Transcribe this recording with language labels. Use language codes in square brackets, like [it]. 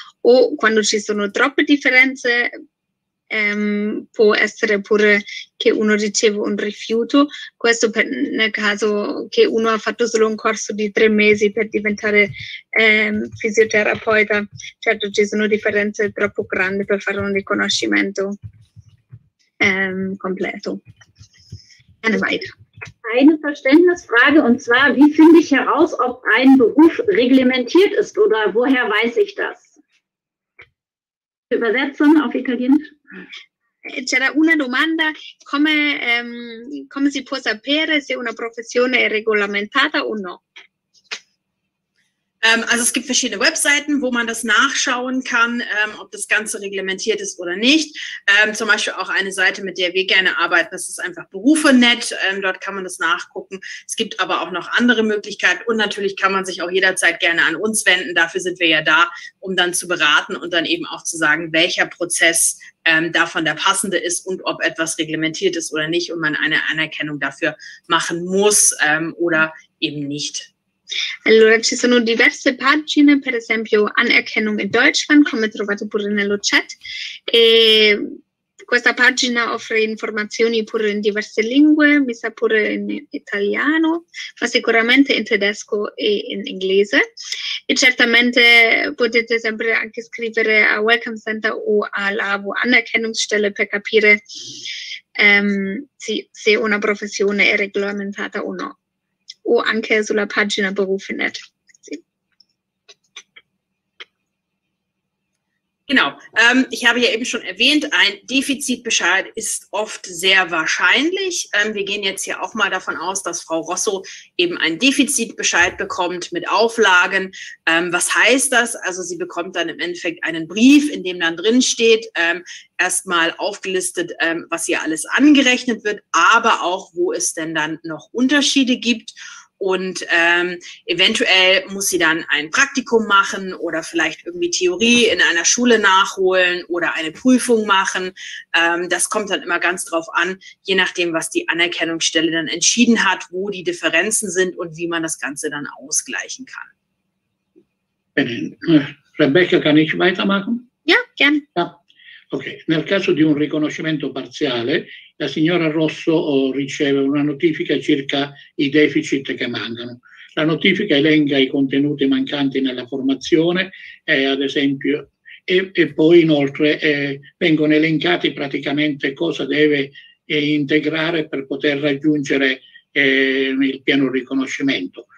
[it] O quando ci sono troppe differenze, può essere pure che uno riceve un rifiuto, questo nel caso che uno ha fatto solo un corso di 3 mesi per diventare fisioterapeuta. Certo, ci sono differenze troppo grandi per fare un riconoscimento completo. [de] Eine weitere. Eine Verständnisfrage, und zwar, wie finde ich heraus, ob ein Beruf reglementiert ist, oder woher weiß ich das? Übersetzung auf Italienisch. [it] C'era una domanda, come si può sapere se una professione è regolamentata o no? [de] Also es gibt verschiedene Webseiten, wo man das nachschauen kann, ob das Ganze reglementiert ist oder nicht. Zum Beispiel auch eine Seite, mit der wir gerne arbeiten, das ist einfach Berufe.net. Dort kann man das nachgucken. Es gibt aber auch noch andere Möglichkeiten, und natürlich kann man sich auch jederzeit gerne an uns wenden. Dafür sind wir ja da, um dann zu beraten und dann eben auch zu sagen, welcher Prozess davon der passende ist und ob etwas reglementiert ist oder nicht und man eine Anerkennung dafür machen muss oder eben nicht. [it] Allora, ci sono diverse pagine, per esempio Anerkennung in Deutschland, come trovate pure nello chat, e questa pagina offre informazioni pure in diverse lingue, mi sa pure in italiano, ma sicuramente in tedesco e in inglese. E certamente potete sempre anche scrivere a Welcome Center o alla AWO Anerkennungsstelle per capire se una professione è regolamentata o no. O anche sulla pagina Berufe.net. [de] Genau, ich habe ja eben schon erwähnt, ein Defizitbescheid ist oft sehr wahrscheinlich. Wir gehen jetzt hier auch mal davon aus, dass Frau Rosso eben ein Defizitbescheid bekommt mit Auflagen. Was heißt das? Also sie bekommt dann im Endeffekt einen Brief, in dem dann drin steht, erstmal aufgelistet, was hier alles angerechnet wird, aber auch, wo es denn dann noch Unterschiede gibt. Und eventuell muss sie dann ein Praktikum machen oder vielleicht irgendwie Theorie in einer Schule nachholen oder eine Prüfung machen. Das kommt dann immer ganz drauf an, je nachdem, was die Anerkennungsstelle dann entschieden hat, wo die Differenzen sind und wie man das Ganze dann ausgleichen kann. Rebecca, kann ich weitermachen? Ja, gern. Ja. [it] Okay, nel caso di un riconoscimento parziale, la signora Rosso riceve una notifica circa i deficit che mancano. La notifica elenca i contenuti mancanti nella formazione, ad esempio, e poi inoltre vengono elencati praticamente cosa deve integrare per poter raggiungere il pieno riconoscimento.